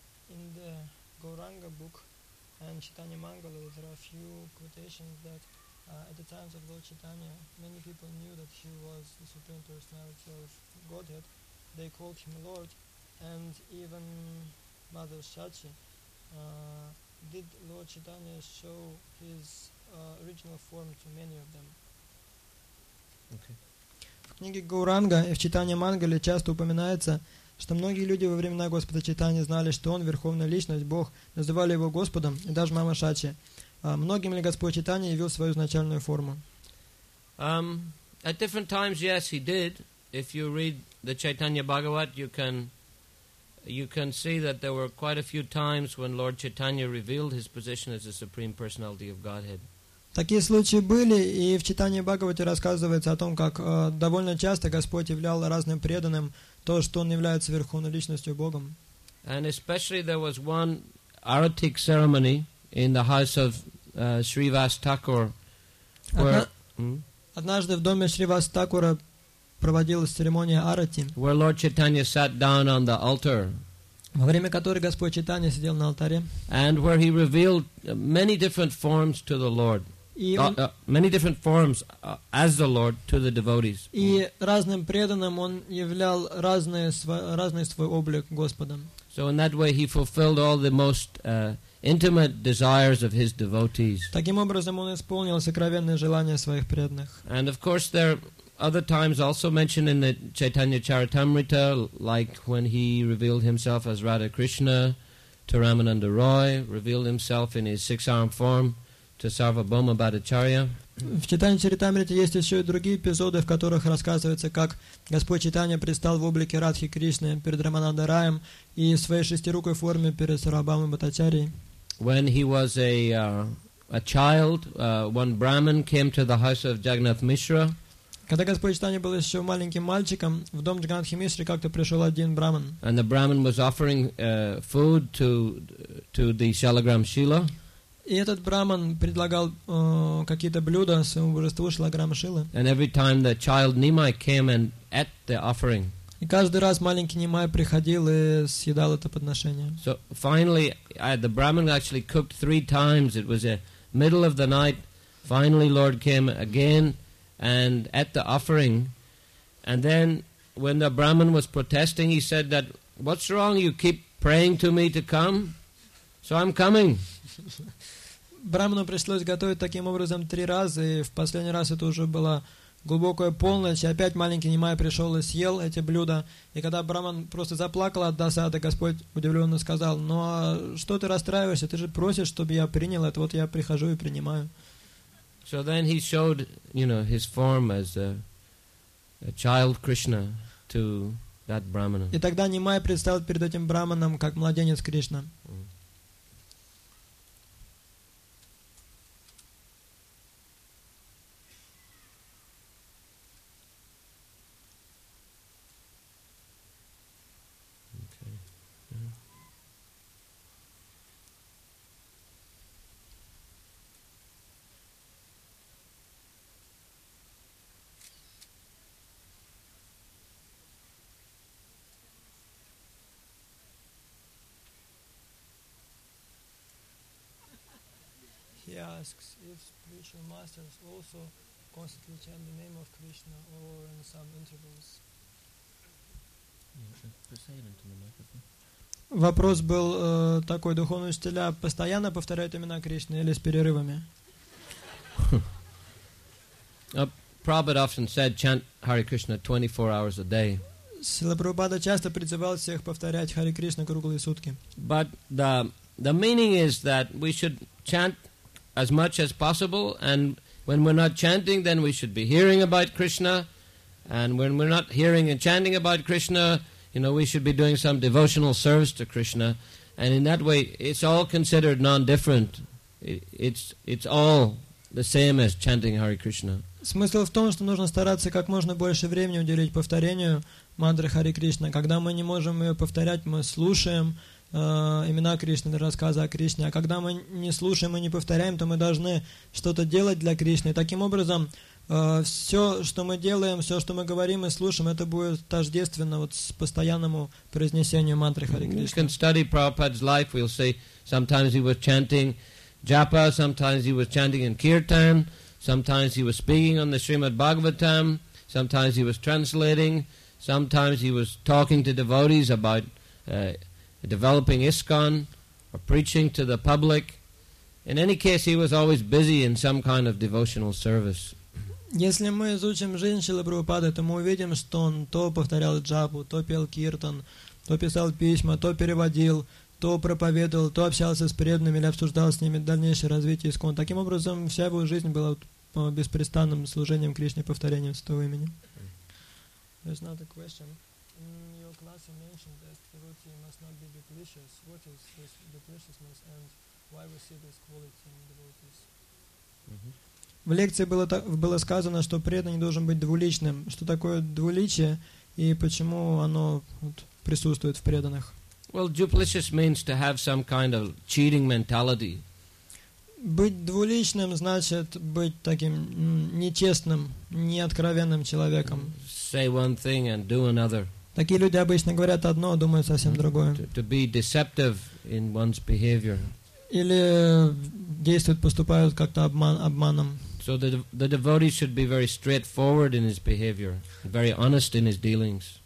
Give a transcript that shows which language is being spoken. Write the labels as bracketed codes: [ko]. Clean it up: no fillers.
[en] In the Gauranga book and Chaitanya Mangala, there are a few quotations that at the times of Lord Chaitanya, many people knew that he was the Supreme Personality of Godhead. They called him Lord, and even Mother Shachi. Did Lord Chaitanya show his original form to many of them? [ru] В книге Гауранга и в Чайтанья Мангале часто упоминается, что многие люди во времена Господа Чайтаньи знали, что Он — Верховная Личность, Бог, называли Его Господом, и даже Мама Шачи. Многим ли Господь Чайтаньи явил свою изначальную форму? [en] At different times, yes, He did. If you read the Chaitanya Bhagavat, you can see that there were quite a few times when Lord Chaitanya revealed His position as the Supreme Personality of Godhead. [ru] Такие случаи были, и в Чайтанье Бхагавате рассказывается о том, как довольно часто Господь являл разным преданным то, что Он является Верховной Личностью Богом. [en] And especially there was one Aratik ceremony in the house of Srivas Thakur. [ru] Однажды в доме Шривас Такура проводилась церемония Арати, [en] where Lord Chaitanya sat down on the altar, [ru] во время которой Господь Чайтанья сидел на алтаре, [en] and where He revealed many different forms to the Lord. Many different forms as the Lord to the devotees. [ru] И разным преданным Он являл разный свой облик Господом. [en] So in that way He fulfilled all the most intimate desires of His devotees. [ru] Таким образом Он исполнил сокровенные желания своих преданных. [en] And of course there are other times also mentioned in the Chaitanya Charitamrita, like when He revealed Himself as Radha Krishna to Ramananda Roy, revealed Himself in His six-armed form to Sarvabhauma Bhattacharya. [ru] В Чайтанья Чаритамрите есть еще и другие эпизоды, в которых рассказывается, как Господь Чайтанья предстал в облике Радхи Кришны перед Раманандой Раем и в своей шестирукой форме перед Сарвабхаумой Бхаттачарьей. [en] When he was a child, one Brahmin came to the house of Jagannath Mishra. [ru] Когда Господь Чайтанья был еще маленьким мальчиком, в дом Джаганнатхи Мишри как-то пришел один Брахман. [en] And the Brahmin was offering food to the Shalagram Shila. [ru] И этот Брахман предлагал какие-то блюда своему божеству Шалаграм Шила. [en] And every time the child Nimai came and ate the offering. [ru] И каждый раз маленький Нимай приходил и съедал это подношение. [en] So finally, the Brahmin actually cooked three times. It was the middle of the night. Finally, Lord came again and ate the offering. And then, when the Brahmin was protesting, he said that, "What's wrong? You keep praying to me to come, so I'm coming." [ru] Брахману пришлось готовить таким образом три раза, и в последний раз это уже была глубокая полночь, и опять маленький Нимай пришел и съел эти блюда, и когда Брахман просто заплакал от досады, Господь удивленно сказал: "Ну а что ты расстраиваешься? Ты же просишь, чтобы я принял это, вот я прихожу и принимаю." [en] So then he showed, you know, his form as a child Krishna to that Brahmana. [ru] И тогда Нимай предстал перед этим Брахманом как младенец Кришна. [en] Asks if spiritual masters also constantly chant the name of Krishna or in some intervals. [ru] Вопрос был такой: духовные учителя постоянно повторяют имена Кришны или с перерывами? [en] Prabhupada often said, "Chant Hare Krishna 24 hours a day." [ru] Сила Прабхупада часто призывал всех повторять Харе Кришна круглые сутки. [en] But the meaning is that we should chant as much as possible, and when we're not chanting, then we should be hearing about Krishna, and when we're not hearing and chanting about Krishna, you know, we should be doing some devotional service to Krishna, and in that way, it's all considered non-different. it's all the same as chanting Hare Krishna. [ru] Смысл в том, что нужно стараться как можно больше времени уделить повторению мантры Хари Кришна. Когда мы не можем ее повторять, мы слушаем имена Кришны, рассказы о Кришне. А когда мы не слушаем и не повторяем, то мы должны что-то делать для Кришны. Таким образом, все, что мы делаем, все, что мы говорим и слушаем, это будет тождественно вот с постоянному произнесению мантры Хари Кришны. [en] You can study Prabhupada's life. We'll say sometimes he was chanting japa, sometimes he was chanting in kirtan, sometimes he was speaking on the Srimad Bhagavatam, sometimes he was translating, sometimes he was talking to devotees about developing ISKCON or preaching to the public. In any case, he was always busy in some kind of devotional service. [ru] Если мы изучим жизнь Шрилы Прабхупады, то мы увидим, что он то повторял джапу, то пел киртан, то писал письма, то переводил, то проповедовал, то общался с преданными или обсуждал с ними дальнейшее развитие ИСКОН. Таким образом, вся его жизнь была беспрестанным служением Кришне, повторением Святого имени. [en] There's another question. In your class you mentioned that devotee must not be duplicious. What is this dupliciousness and why we see this quality in devotees? [ru] В лекции было сказано, что преданный должен быть двуличным. Что такое двуличие и почему оно присутствует в преданных? [en] Well, duplicious means to have some kind of cheating mentality. [ru] Быть двуличным значит быть таким нечестным, неоткровенным человеком. [en] Say one thing and do another. [ru] Такие люди обычно говорят одно, а думают совсем другое. [en] To be deceptive in one's behavior. [ru] Или действуют, поступают как-то обманом. [en] So the devotee should be very straightforward in his behavior, very honest in his dealings.